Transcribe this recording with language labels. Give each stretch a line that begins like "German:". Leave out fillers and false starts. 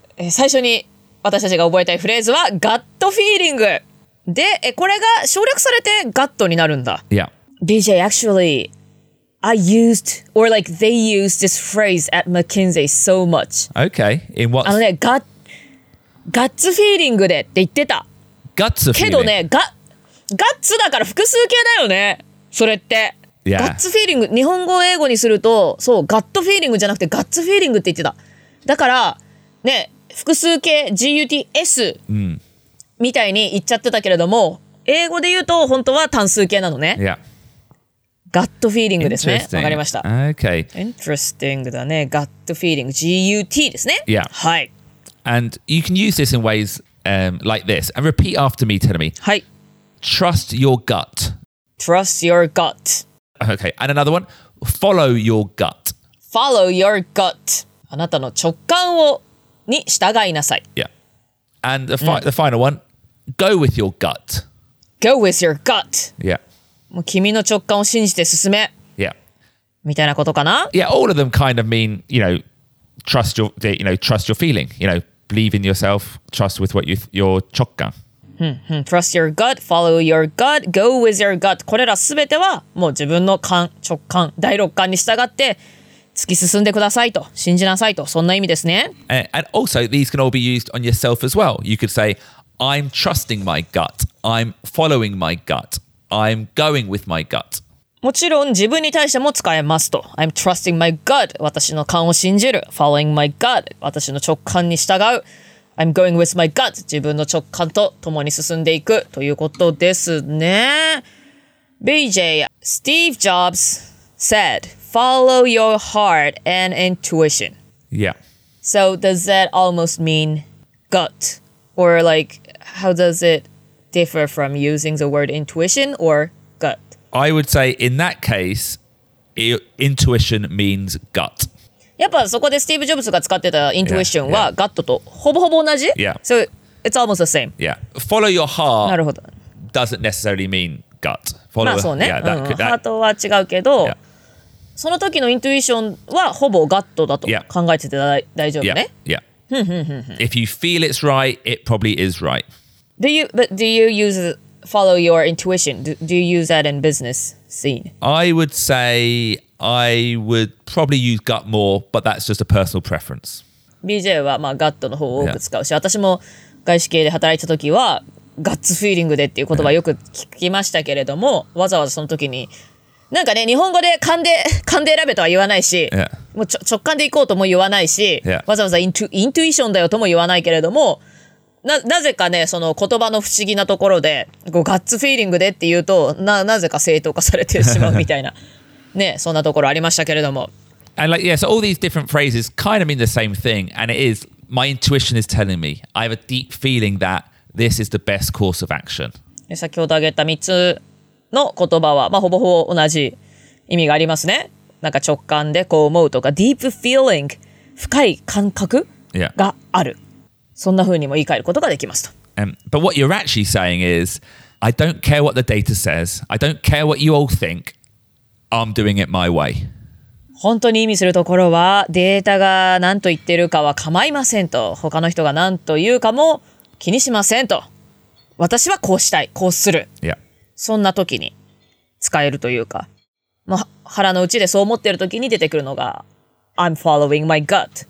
Japanese: 最初に私たちが覚えたいフレーズは gut feeling. で、これが省略されて gut になるんだ。
English: Yeah. BJ, actually, I used, or like they used this phrase at McKinsey so much. Okay, in what?
Japanese: あのね、gutガッツフィーリングでって言ってた。ガッツフィーリング。けどね、ガッツだから複数形だよね。それって。
English: Yeah.
Japanese: ガッツフィーリング、日本語英語にすると、そう、ガットフィーリングじゃなくてガッツフィーリングって言ってた。だから、ね、複数形 GUTS、うん、みたいに言っちゃってたけれども、英語で言うと本当は単数形なのね。
English: Yeah.
Japanese: ガットフィーリングですね。わかりました。
English: Okay.
Japanese: Interesting だね。ガットフィーリング GUT ですね。
English: Yeah.
Japanese: はい。
English: And you can use this in ways like this. And repeat after me, Tenomi. Hi. Trust your gut. Trust your gut. Okay. And another one. Follow your gut. Follow your gut.
Japanese: あなたの直感をに従いなさい。
English: Yeah. And the final one. Go with your gut. Go with your gut. Yeah.
Japanese: もう君の直感を信じて進め。
English: Yeah.
Japanese: みたいなことかな?
English: Yeah. All of them kind of mean, you know,trust your feeling, you know, believe in yourself, trust with what your 直感。 Trust your gut, follow your gut, go with your gut.
Japanese: これらすべてはもう自分の感、直感、第六感に従って突き進んでくださいと、信じなさいと、そんな意味ですね。
English: And also, these can all be used on yourself as well. You could say, I'm trusting my gut, I'm following my gut, I'm going with my gut.
Japanese: もちろん自分に対しても使えますと。
English: I'm trusting my gut.
Japanese: 私の勘を信じる。
English: Following my gut.
Japanese: 私の直感に従う。
English: I'm going with my gut.
Japanese: 自分の直感と共に進んでいくということですね。
English: BJ, Steve Jobs said, follow your heart and intuition. Yeah. So does that almost mean gut? Or like, how does it differ from using the word intuition or gut? I would say in that case, intuition means gut.
Japanese: やっぱそこでスティーブ・ジョブズが使ってた intuition は gut とほぼほぼ同じ?
English: Yeah. So it's almost the same. Yeah. Follow your heart doesn't necessarily mean gut.
Japanese: Follow, まあそうね。ハートは違うけど、その時の intuition はほぼ gut だと考えてて大丈夫ね。
English: Yeah. Yeah. If you feel it's right, it probably is right. Do you use... Follow your intuition. Do you use that in business scene? I would say I would probably use gut more, but that's just a personal preference.
Japanese: BJ はまあ gut の方を多く使うし、yeah. 私も外資系で働いた時は guts feeling でっていう言葉よく聞きましたけれども、yeah. わざわざその時になんかね、日本語で勘で選べとは言わないし、
English: yeah.
Japanese: もう直感で行こうとも言わないし、
English: yeah.
Japanese: わざわざイントゥイションだよとも言わないけれども、なぜかね、その言葉の不思議なところで、こうガッツフィーリングでって言うと、なぜか正当化されてしまうみたいな。ね、そんなところありましたけれども。
English: And like, yeah, so all these different phrases kind of mean the same thing. And it is, my intuition is telling me, I have a deep feeling that this is the best course of action.
Japanese: 先ほど挙げた3つの言葉は、まあ、ほぼほぼ同じ意味がありますね。なんか直感でこう思うとか、deep feeling、深い感覚がある。
English: Yeah.
Japanese: そんな風にも言い換えることができますと。
English: But what you're actually saying is, I don't care what the data says. I don't care what you all think. I'm doing it my way.
Japanese: 本当に意味するところは、データが何と言ってるかは構いませんと。他の人が何と言うかも気にしませんと。私はこうしたい、こうする。
English: Yeah.
Japanese: そんな時に使えるというか、まあ、腹の内でそう思ってる時に出てくるのが、
English: I'm following my gut.